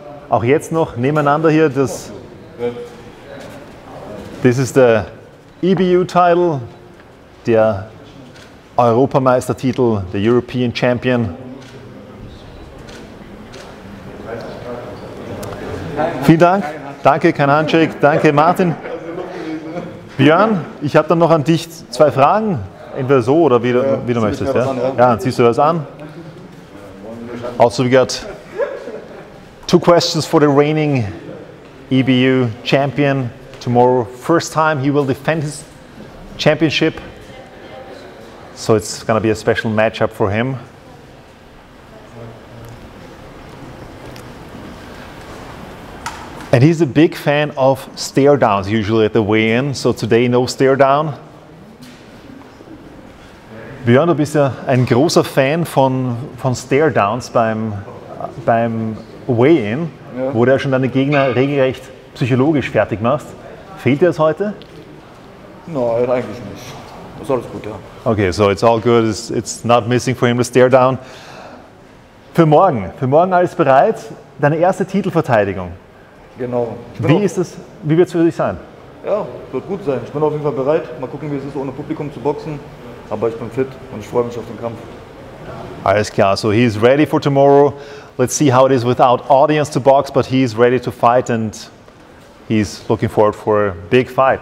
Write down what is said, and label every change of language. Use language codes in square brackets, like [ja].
[de] Auch jetzt noch nebeneinander hier, das ist der EBU-Title, der Europameistertitel, der European Champion. Vielen Dank, danke, kein Handshake, danke Martin. Björn, ich habe dann noch an dich 2 Fragen. Entweder so oder wie du möchtest. Ja? Ja, dann ziehst du das an. [en] Also, we got 2 questions for the reigning EBU champion tomorrow. First time he will defend his championship. So, it's going to be a special matchup for him. And he's a big fan of stare downs usually at the weigh-in. So, today, no stare down. [de] Björn, du bist ja ein großer Fan von Stare-Downs beim Weigh-In, ja. Wo du ja schon deine Gegner regelrecht psychologisch fertig machst. Fehlt dir das heute? Nein, eigentlich nicht. Das ist alles gut, ja. [en] Okay, so it's all good. It's not missing for him, the Stare-Down. [de] Für morgen alles bereit. Deine erste Titelverteidigung. Genau. Wie wird es für dich sein? Ja, wird gut sein. Ich bin auf jeden Fall bereit. Mal gucken, wie es ist, ohne Publikum zu boxen. Aber ich bin fit und ich freue mich auf den Kampf. Alles klar, [en] so he is ready for tomorrow. Let's see how it is without audience to box, but he is ready to fight and he's looking forward for a big fight.